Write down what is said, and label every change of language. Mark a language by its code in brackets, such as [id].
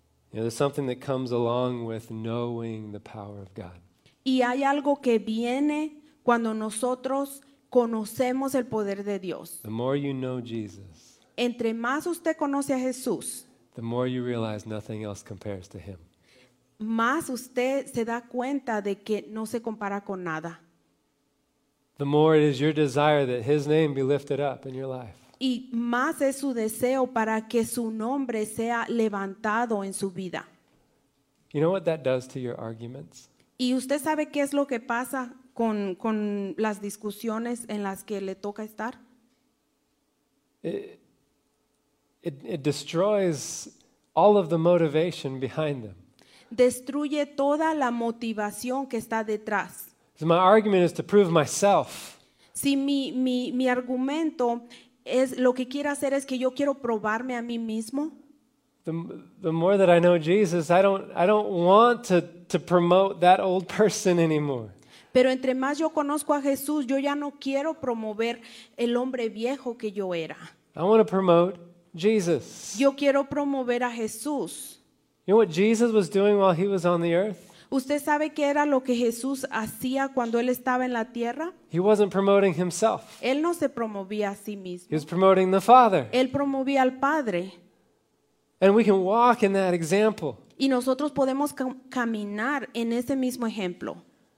[en] You know, there's something that comes along with knowing the power of God. [es] Y hay algo que viene cuando nosotros conocemos el poder de Dios. [en] The more you know Jesus, [es] entre más usted conoce a Jesús, [en] the more you realize nothing else compares to him. [es] Más usted se da cuenta de que no se compara con nada. [en] The more it is your desire that his name be lifted up in your life. [es] Y más es su deseo para que su nombre sea levantado en su vida. [en] You know what that does to your arguments? [es] ¿Y usted sabe qué es lo que pasa con las discusiones en las que le toca estar? [en] It destroys all of the motivation behind them. [es] Destruye toda la motivación que está detrás. [en] So my argument is to prove myself. [es] Si mi argumento es lo que quiero hacer es que yo quiero probarme a mí mismo. [en] the more that I know Jesus, I don't want to promote that old person anymore. [es] Pero entre más yo conozco a Jesús, yo ya no quiero promover el hombre viejo que yo era. [en] I want to promote Jesus. [es] Yo quiero promover a Jesús. [en] You know what Jesus was doing while he was on the earth? [es] ¿Usted sabe qué era lo que Jesús hacía cuando él estaba en la tierra? [en] He wasn't promoting himself. [es] Él no se promovía a sí mismo. [en] He was promoting the Father. [es] Él promovía al Padre. [en] And we can walk in that example. [es] Y nosotros podemos caminar en ese mismo ejemplo.